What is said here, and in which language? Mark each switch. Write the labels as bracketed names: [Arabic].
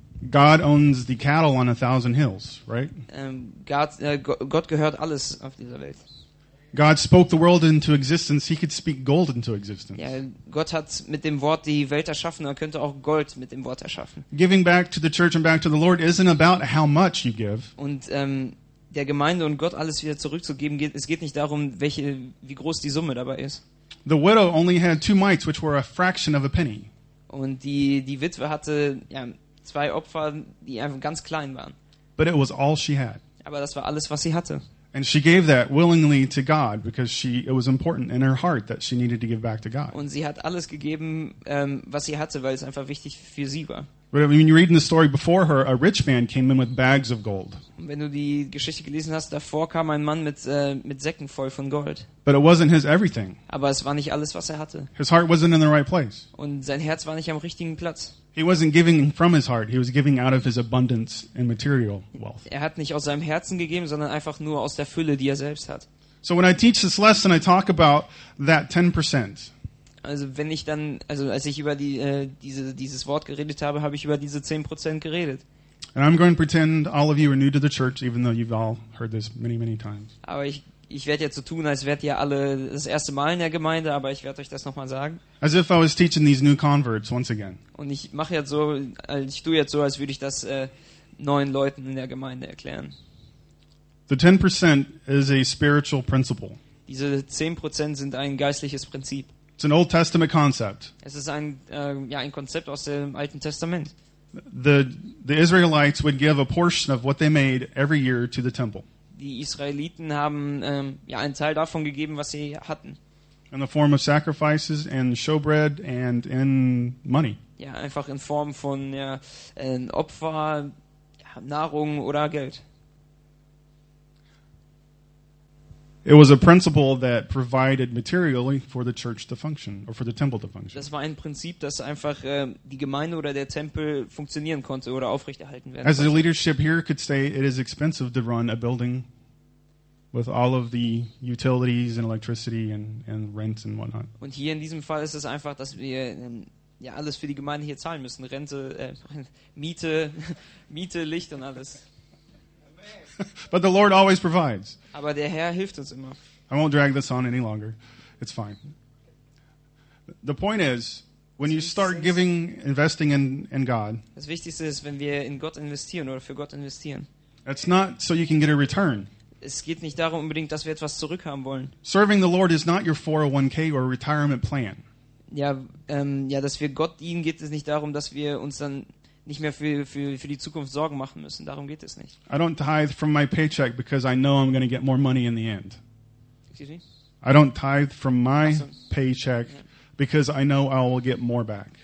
[English] God owns the cattle on 1,000 hills, right? [German] Gott gehört alles auf dieser Welt. [English] God spoke the world into existence. He could speak gold into existence. [German] Ja, Gott hat mit dem Wort die Welt erschaffen. Er könnte auch Gold mit dem Wort erschaffen. [English] Giving back to the church and back to the Lord isn't about how much you give. [German] Und der Gemeinde und Gott alles wieder zurückzugeben, es geht nicht darum, wie groß die Summe dabei ist. [English] The widow only had two mites, which were a fraction of a penny. [German] Und die Witwe hatte zwei Opfer, die einfach ganz klein waren. [English] But it was all she had. [German] Aber das war alles, was sie hatte. [English] And she gave that willingly to God because it was important in her heart that she needed to give back to God. [German] Und sie hat alles gegeben, was sie hatte, weil es einfach wichtig für sie war. [English] But when you read in the story before her, a rich man came in with bags of gold. [German] Wenn du die Geschichte gelesen hast, davor kam ein Mann mit Säcken voll von Gold. [English] But it wasn't his everything. [German] Aber es war nicht alles, was er hatte. [English] His heart wasn't in the right place. [German] Und sein Herz war nicht am richtigen Platz. [English] He wasn't giving from his heart. He was giving out of his abundance and material wealth. [German] Er hat nicht aus seinem Herzen gegeben, sondern einfach nur aus der Fülle, die er selbst hat. [English] So when I teach this lesson, I talk about that 10%. [German] Also wenn ich dann, also als ich über dieses Wort geredet habe, habe ich über diese 10% geredet. [English] And I'm going to pretend all of you are new to the church, even though you've all heard this many, many times. [German] Aber ich werde jetzt so tun, als wärt ihr alle das erste Mal in der Gemeinde, aber ich werde euch das nochmal sagen. [English] As if I was teaching these new converts once again. [German] Und ich mache jetzt so, ich tue jetzt so, als würde ich das neuen Leuten in der Gemeinde erklären. [English] The 10% is a spiritual principle. [German] Diese 10% sind ein geistliches Prinzip. [English] It's an Old Testament concept. [German] Es ist ein Konzept aus dem Alten Testament. [English] The Israelites would give a portion of what they made every year to the temple. [German] die Israeliten haben ja einen Teil davon gegeben, was sie hatten. [English] In the form of sacrifices and showbread and in money. [German] Ja, einfach in Form von ja, Opfer, ja, Nahrung oder Geld. [English] It was a principle that provided materially for the church to function or for the temple to function. [German] Das war ein Prinzip, das einfach die Gemeinde oder der Tempel funktionieren konnte oder aufrechterhalten werden konnte. [English] As the leadership here could say, it is expensive to run a building with all of the utilities and electricity and rent and whatnot. [German] Und hier in diesem Fall ist es einfach, dass wir ja alles für die Gemeinde hier zahlen müssen, Rente, Miete, Miete, Licht und alles. [English] But the Lord always provides. [German] Aber der Herr hilft uns immer. [English] I won't drag this on any longer. It's fine. The point is, when you start giving, investing in God. [German] Das Wichtigste ist, wenn wir in Gott investieren oder für Gott investieren. [English] It's not so you can get a return. [German] Es geht nicht darum unbedingt, dass wir etwas zurückhaben wollen. [English] Serving the Lord is not your 401k or retirement plan. [German] Ja, ja, dass wir Gott dienen, geht es nicht darum, dass wir uns dann nicht mehr für die Zukunft Sorgen machen müssen. Darum geht es nicht. [English] I don't tithe from my paycheck because I know I'm going to get more money in the end. Excuse me? I don't tithe from my paycheck because I know I will get more back.